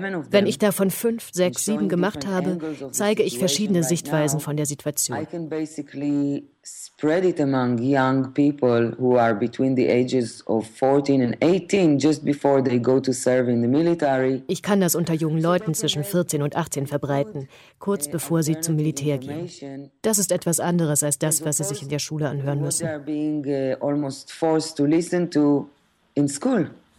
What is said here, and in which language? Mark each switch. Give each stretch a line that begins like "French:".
German: Wenn ich davon 5, 6, 7 gemacht habe, zeige ich verschiedene Sichtweisen von der Situation.
English: I can basically spread it among young people who are between the ages of 14 and 18, just before they go to serve in the military.
German: Ich kann das unter jungen Leuten zwischen 14 und 18 verbreiten, kurz bevor sie zum Militär gehen. Das ist etwas anderes als das, was sie sich in der Schule anhören müssen.
English: They are being almost forced to listen to in school.